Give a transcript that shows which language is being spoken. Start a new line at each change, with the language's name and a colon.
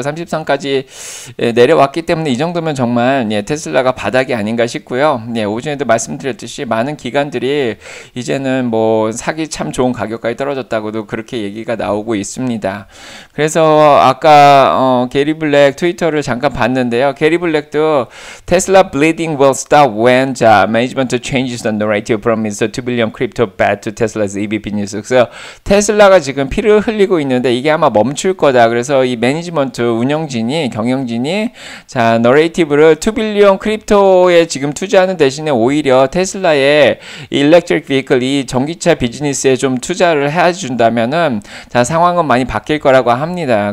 Korean: 33까지 예, 내려왔기 때문에 이 정도면 정말 예, 테슬라가 바닥이 아닌가 싶고요. 예, 오전에도 말씀드렸듯이 많은 기관들이 이제는 뭐 사기 참 좋은 가격까지 떨어졌다고도 그렇게 얘기가 나오고 있습니다. 그래서 아까 게리 블랙 트위터를 잠깐 봤는데요. 게리 블랙도 테슬라 블리딩
English: will stop when 자, management changes the narrative from Mr. 2 billion crypto bad to Tesla's EV business.
Korean: 그래서 테슬라가 지금 피를 흘리고 있는데 이게 아마 멈 멈출 거다. 그래서 이 매니지먼트 운영진이 경영진이 자 너레이티브를 2빌리언 크립토에 지금 투자하는 대신에 오히려 테슬라의 일렉트릭 비클 이 전기차 비즈니스에 좀 투자를 해준다면은 자 상황은 많이 바뀔 거라고 합니다.